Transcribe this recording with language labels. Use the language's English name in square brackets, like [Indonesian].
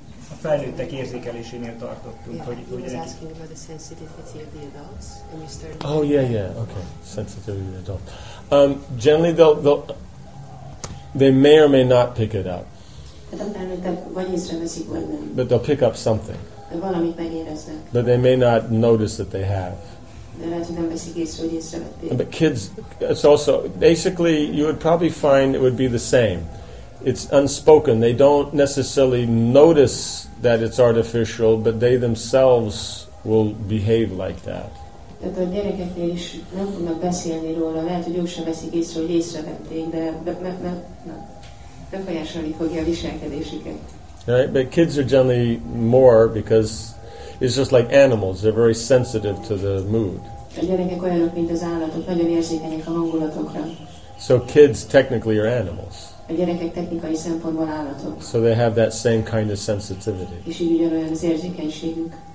[Hungarian] A felnőttek érzékelésénél tartottunk, hogy... [English] He was asking about the sensitivity of the adults, and you started... Oh, yeah, okay. Sensitivity of the adult. Generally, they may or may not pick it up. But they'll pick up something. But they may not notice that they have. But kids, it's also, basically, you would probably find it would be the same. It's unspoken. They don't necessarily notice that it's artificial, but they themselves will behave like that. [Hungarian] Tehát a gyerekeknél is nem tudnak beszélni róla, lehet, hogy ők sem veszik észre, hogy észrevették, de befolyásolni fogja a viselkedésüket. [English] Right, but kids are generally more because it's just like animals, they're very sensitive to the mood. [Hungarian] A gyerekek olyanok, mint az állatok, nagyon érzékenyek a hangulatokra. [English] So kids technically are animals. [Hungarian] A gyerekek technikai szempontból állatok. [English] So they have that same kind of sensitivity. [Hungarian] És így ugyanolyan az érzékenységük.